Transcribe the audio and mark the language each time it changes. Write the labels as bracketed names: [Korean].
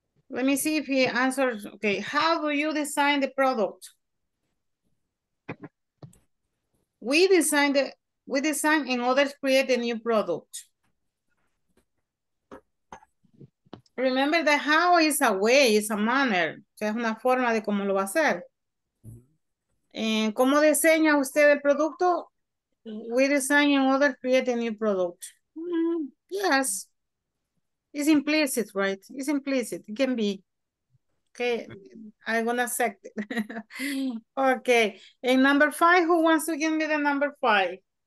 [English] Let me see if he answers. Okay. How do you design the product? We design and others create a new product. Remember that how is a way, is a manner. [Spanish] O sea, es una forma de cómo lo va a hacer. ¿Cómo diseña usted el producto? [English] We design and others create a new product. Yes. It's implicit, right? It's implicit. It can be. Okay. I'm going to accept it. Okay. And number five, who wants to give me the number five?